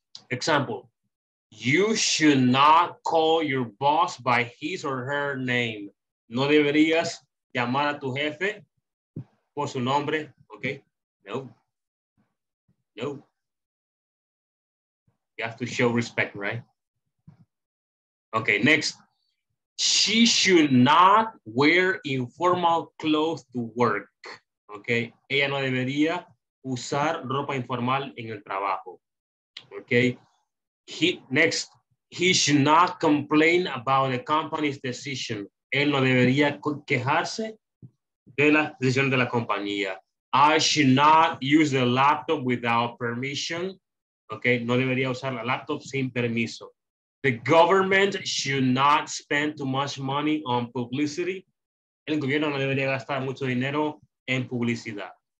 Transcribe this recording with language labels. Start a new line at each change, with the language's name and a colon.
English: Example, you should not call your boss by his or her name.
Spanish: No deberías llamar a tu jefe por su nombre, ¿ok? No.
English: You have to show respect, right? Okay, next. She should not wear informal clothes to work.
Spanish: Okay, ella no debería usar ropa informal en el trabajo.
English: Okay, he should not complain about the company's decision.
Spanish: Él no debería quejarse de la decisión de la compañía.
English: I should not use the laptop without permission.
Spanish: Okay, no debería usar la laptop sin permiso.
English: The government should not spend too much money on publicity.
Spanish: El gobierno no debería gastar mucho dinero en publicidad.